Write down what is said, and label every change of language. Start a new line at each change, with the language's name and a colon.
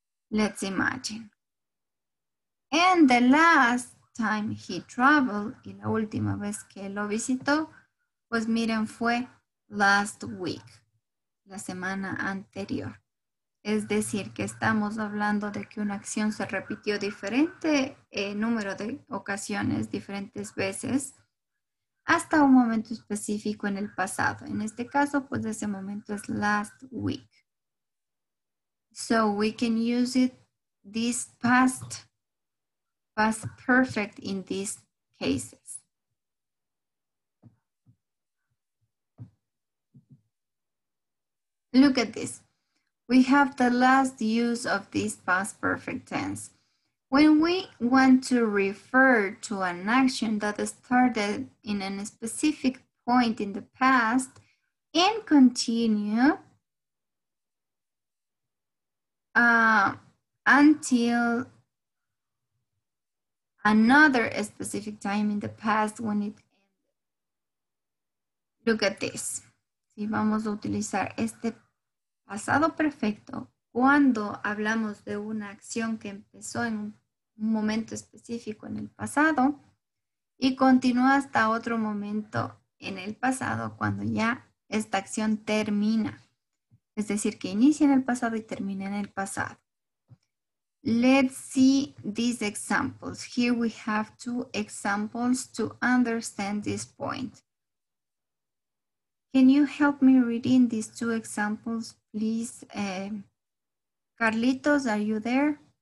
English: Let's imagine. And the last time he traveled,
Spanish: y la última vez que lo visitó, pues miren, fue
English: last week,
Spanish: la semana anterior. Es decir, que estamos hablando de que una acción se repitió diferente número de ocasiones, diferentes veces, hasta un momento específico en el pasado. En este caso, pues ese momento es
English: last week. So we can use it this past perfect in these cases. Look at this. We have the last use of this past perfect tense. When we want to refer to an action that started in a specific point in the past and continue until another specific time in the past when it ended. Look at this.
Spanish: Si vamos a utilizar este pasado perfecto cuando hablamos de una acción que empezó en un momento específico en el pasado y continúa hasta otro momento en el pasado cuando ya esta acción termina. Es decir, que inicia en el pasado y termina en el pasado.
English: Let's see these examples. Here we have two examples to understand this point. Can you help me reading these two examples, please? Carlitos, are you there?